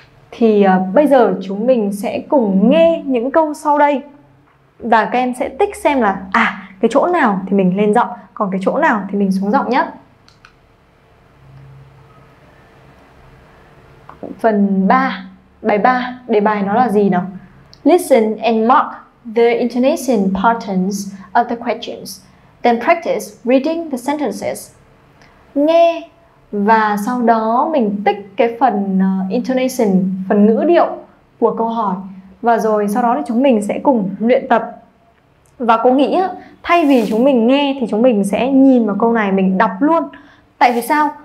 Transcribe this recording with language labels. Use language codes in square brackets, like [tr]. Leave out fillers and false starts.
[vi] Thì bây giờ chúng mình sẽ cùng nghe những câu sau đây. Và các em sẽ tích xem là à, cái chỗ nào thì mình lên giọng, còn cái chỗ nào thì mình xuống giọng nhé. Phần 3, bài 3, đề bài nó là gì nào? [en] Listen and mark the intonation patterns of the questions, then practice reading the sentences. [vi] Nghe và sau đó mình tích cái phần intonation, phần ngữ điệu của câu hỏi. Và rồi sau đó thì chúng mình sẽ cùng luyện tập. Và cô nghĩ thay vì chúng mình nghe thì chúng mình sẽ nhìn vào câu này, mình đọc luôn. Tại vì sao?